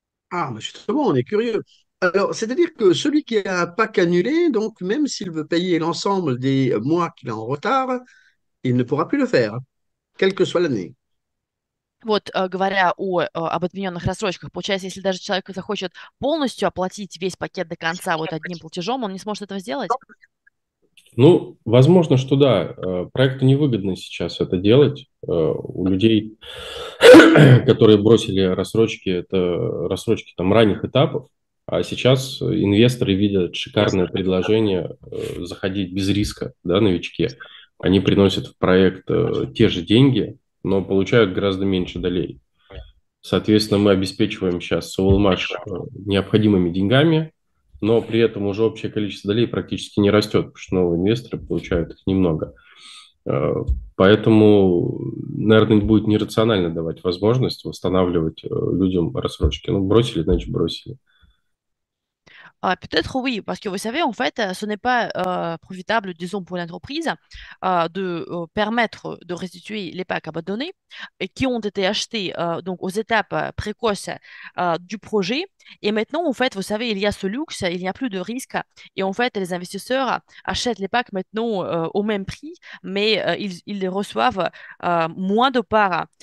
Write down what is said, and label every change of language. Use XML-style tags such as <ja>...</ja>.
<fr>Ah, mais justement, on est curieux. Alors, c'est-à-dire que celui qui a un pack annulé, donc même s'il veut payer l'ensemble des mois qu'il a en retard, il ne pourra plus le faire, quelle que soit l'année.</fr> <ru>Вот, говоря об отмененных рассрочках, получается, если даже человек захочет полностью оплатить весь пакет до конца вот одним платежом, он не сможет этого сделать? Ну, возможно, что да, проекту невыгодно сейчас это делать. У людей, которые бросили рассрочки, это рассрочки там ранних этапов, а сейчас инвесторы видят шикарное предложение заходить без риска, да, новички. Они приносят в проект те же деньги, но получают гораздо меньше долей. Соответственно, мы обеспечиваем сейчас Soulmash необходимыми деньгами. Но при этом уже общее количество долей практически не растет, потому что новые инвесторы получают их немного. Поэтому, наверное, будет нерационально давать возможность восстанавливать людям рассрочки. Ну, бросили, значит, бросили.</ru> <fr>Peut-être oui, parce que vous savez, en fait, ce n'est pas profitable, disons, pour l'entreprise de permettre de restituer les packs abandonnés et qui ont été achetés donc aux étapes précoces du projet. Et maintenant, en fait, vous savez, il y a ce luxe, il n'y a plus de risque. Et en fait, les investisseurs achètent les packs maintenant au même prix, mais ils les reçoivent moins de parts.</fr>